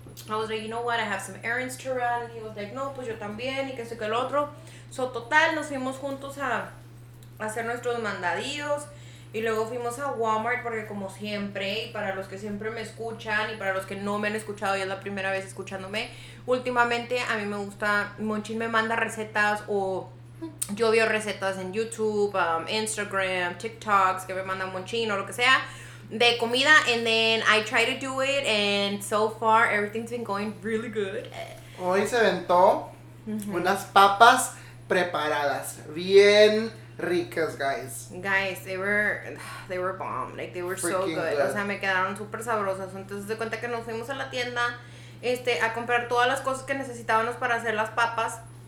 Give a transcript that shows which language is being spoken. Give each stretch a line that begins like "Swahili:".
English: I was like, you know what, I have some errands to run.
Spanish: And he was like, no, pues yo también, y que sé que el otro. So, total, nos fuimos juntos a hacer nuestros mandadíos. Y luego fuimos a Walmart, porque como siempre, y para los que siempre me escuchan, y para los que no me han escuchado, y es la primera vez escuchándome, últimamente a mí me gusta, Monchin me manda recetas, o yo veo recetas en YouTube, Instagram, TikToks, que me manda Monchin, o lo que sea.
English: De comida, and then I try to do it, and so far everything's been going really good.
Spanish: Hoy se aventó unas papas preparadas, bien ricas, guys.
English: Guys, they were bomb, like they were freaking so good. Good.
Spanish: O sea, me quedaron super sabrosas. Entonces, de cuenta que nos fuimos a la tienda, a comprar todas las cosas que necesitábamos para hacer las papas.